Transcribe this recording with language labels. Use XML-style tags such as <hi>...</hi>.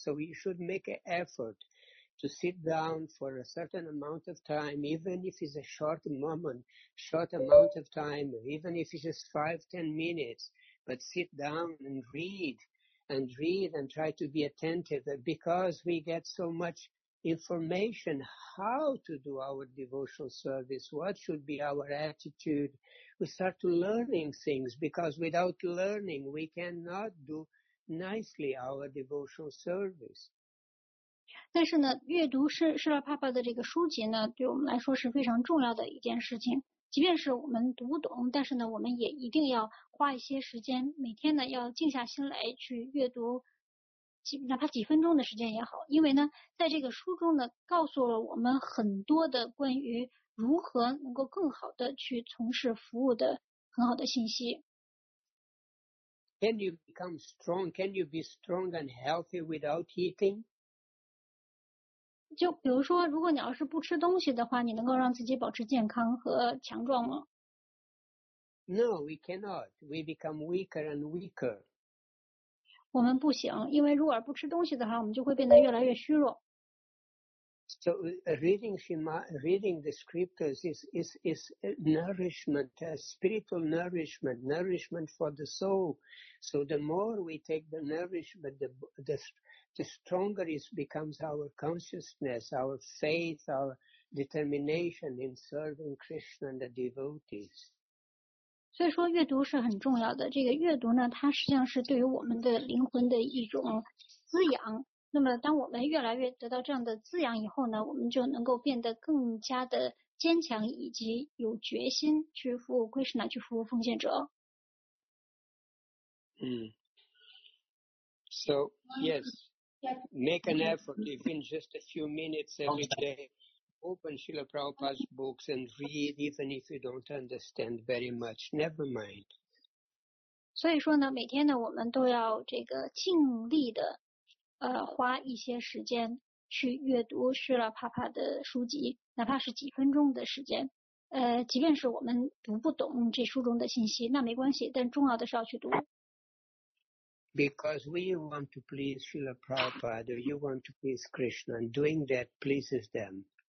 <en>So we should make an effort to sit down for a certain amount of time, even if it's a short moment, short amount of time, even if it's just 5-10 minutes, but sit down and read and try to be attentive, because we get so much information how to do our devotional service, what should be our attitude. We start learning things, because without learning we cannot do nicely our devotional service.</en> <zh>但是呢，阅读释迦牟尼佛的这个书籍呢，对我们来说是非常重要的一件事情。即便是我们读不懂，但是呢，我们也一定要花一些时间，每天呢要静下心来去阅读，哪怕几分钟的时间也好。因为呢，在这个书中呢，告诉了我们很多的关于如何能够更好的去从事服务的很好的信息。</zh> <en>Can you become strong? Can you be strong and healthy without eating?</en> <zh>就比如说，如果你要是不吃东西的话，你能够让自己保持健康和强壮吗？</zh> <en>No, we cannot. We become weaker and weaker.</en> <zh>我们不行，因为如果不吃东西的话，我们就会变得越来越虚弱。</zh> <en>So reading the scriptures is nourishment, spiritual nourishment, nourishment for the soul. So the more we take the nourishment, the stronger it becomes our consciousness, our faith, our determination in serving Krishna and the devotees.</en> <zh>所以说阅读是很重要的。这个阅读呢，它实际上是对于我们的灵魂的一种滋养。那么当我们越来越得到这样的滋养以后呢，我们就能够变得更加的坚强，以及有决心去服务 Krishna， 去服务奉献者。嗯。</zh> <en>So, yes, make an effort, even just a few minutes every day, open Srila Prabhupada's books and read, even if you don't understand very much, never mind.</en> <zh>所以说呢，每天呢，我们都要这个尽力的花一些时间去阅读施拉帕帕的书籍，哪怕是几分钟的时间。即便是我们读不懂这书中的信息，那没关系，但重要的是要去读。</zh> <en>Because we want to please Srila Prabhupada, you want to please Krishna, and doing that pleases them.</en>